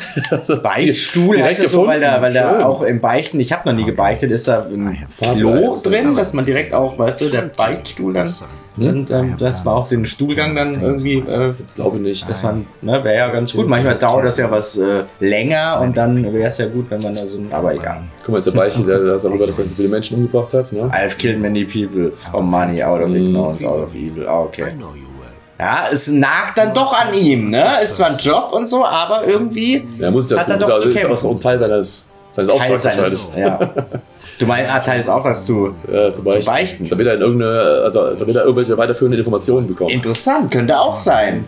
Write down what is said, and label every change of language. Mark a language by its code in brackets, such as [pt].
[de] Also Beichtstuhl heißt das so, weil da auch im Beichten, ich habe noch nie gebeichtet, ist da ein Klo drin, dass man direkt auch, weißt du, der Beichtstuhl dann, dass man auch den Stuhlgang dann irgendwie, glaube nicht, dass man, ne, wäre ja ganz gut, manchmal dauert das ja was länger und dann wäre es ja gut, wenn man da so, aber egal. Guck mal, jetzt der Beichtstuhl, der ist darüber, dass er so viele Menschen umgebracht hat, ne? [en] I've killed many people from money out of ignorance, out of evil, okay. [de] Ja, es nagt dann doch an ihm, ne? Ist zwar ein Job und so, aber irgendwie hat er doch zu kämpfen. Ist auch ein Teil seines Auftrags wahrscheinlich. Ja. Du meinst, Teil des Auftrags zu beichten. Damit er irgendwelche weiterführende Informationen bekommt. Interessant, könnte auch sein.